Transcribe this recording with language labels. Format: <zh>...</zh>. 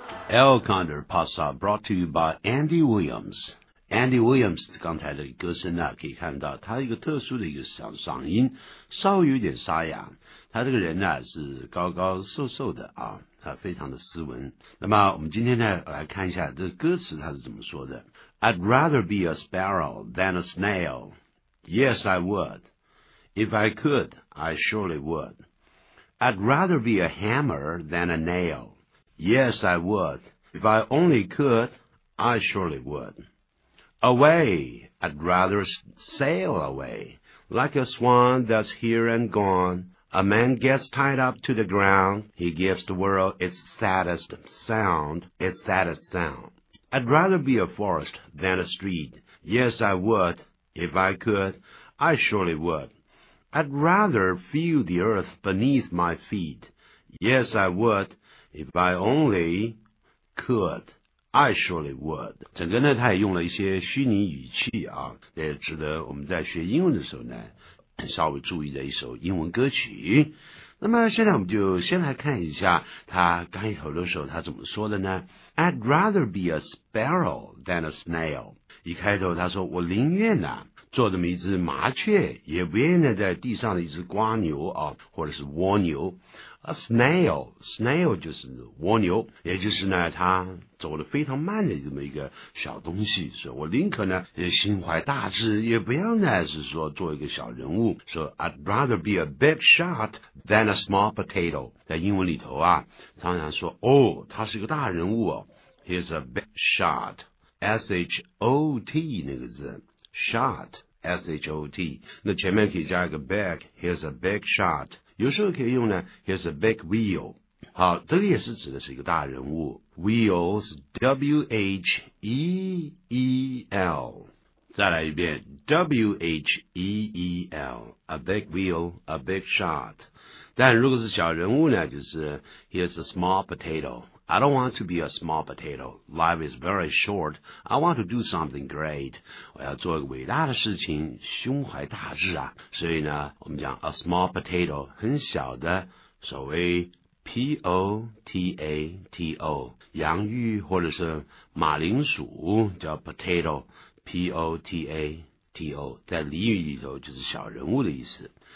<en>El Condor Pasa brought to you by Andy Williams.</en> <zh>Andy Williams 刚才的歌声呢，可以看到他一个特殊的一个嗓音，稍微有点沙哑。他这个人呢是高高瘦瘦的啊，他非常的斯文。那么我们今天呢来看一下这个歌词他是怎么说的。</zh> <en>I'd rather be a sparrow than a snail. Yes, I would. If I could, I surely would. I'd rather be a hammer than a nail. Yes, I would. If I only could, I surely would. Away, I'd rather sail away. Like a swan that's here and gone. A man gets tied up to the ground. He gives the world its saddest sound. Its saddest sound. I'd rather be a forest than a street. Yes, I would. If I could, I surely would. I'd rather feel the earth beneath my feet. Yes, I would. If I only could, I surely would.</en> <zh>整个呢他也用了一些虚拟语气啊，也值得我们在学英文的时候呢稍微注意的一首英文歌曲。那么现在我们就先来看一下他刚一头的时候他怎么说的呢。</zh> <en>I'd rather be a sparrow than a snail.</en> <zh>一开头他说我宁愿啊做这么一只麻雀，也不愿意在地上的一只瓜牛啊，或者是蜗牛。 A snail 就是蜗牛，也就是呢，它走得非常慢的这么一个小东西。所以我宁可呢也心怀大志，也不要呢是说做一个小人物。</zh> <en>说、so, I'd rather be a big shot than a small potato。</en> <zh>在英文里头啊，常常说哦，他是个大人物哦 ，</zh> <en>He's a big shot。 S H O T</en> <zh>那个字</zh> <en>，shot S H O T，</en> <zh>那前面可以加一个</zh> <en>big， He's a big shot。</en> <zh>有时候可以用呢 ，</zh> <en>He's a big wheel。</en> <zh>好，这个也是指的是一个大人物 ，wheel 是 W H E E L。再来一遍</zh> <en>，W H E E L，a big wheel，a big shot。</en> <zh>但如果是小人物呢，就是</zh> <en>He's a small potato。 I don't want to be a small potato. Life is very short. I want to do something great.</en> <zh>我要做一个伟大的事情，胸怀大志啊。所以呢，我们讲 a small potato, 很小的所谓 P-O-T-A-T-O, 洋芋或者是马铃薯叫 potato, P-O-T-A-T-O, 在俚语里头就是小人物的意思。</zh>